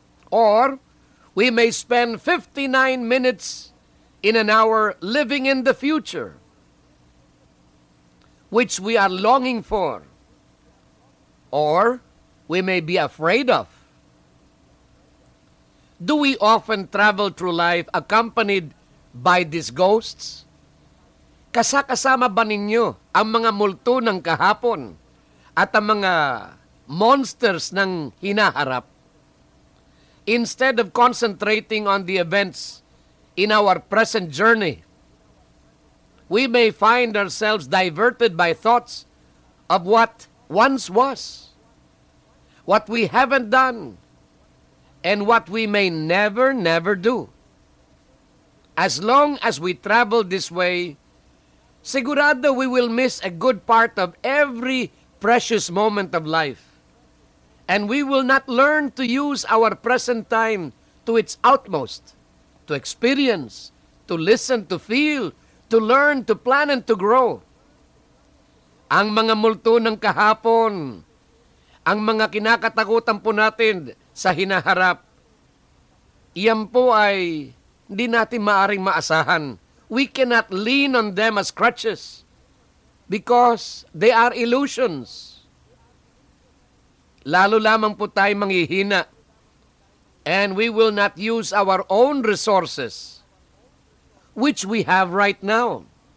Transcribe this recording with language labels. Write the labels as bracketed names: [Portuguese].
[English] Or we may spend 59 minutes in an hour living in the future, which we are longing for, or we may be afraid of. Do we often travel through life accompanied by these ghosts? [Filipino] Kasakasama ba ninyo ang mga multo ng kahapon at ang mga monsters ng hinaharap? [English] Instead of concentrating on the events in our present journey, we may find ourselves diverted by thoughts of what once was, what we haven't done, and what we may never, never do. As long as we travel this way, [Filipino] sigurado [English] we will miss a good part of every precious moment of life, and we will not learn to use our present time to its utmost, to experience, to listen, to feel, to learn, to plan, and to grow. [Filipino] Ang mga multo ng kahapon, ang mga kinakatakutan po natin sa hinaharap, iyan po ay hindi natin maaring maasahan. [English] We cannot lean on them as crutches because they are illusions. [Filipino] Lalo lamang po tayo manghihina, [English] and we will not use our own resources, which we have right now.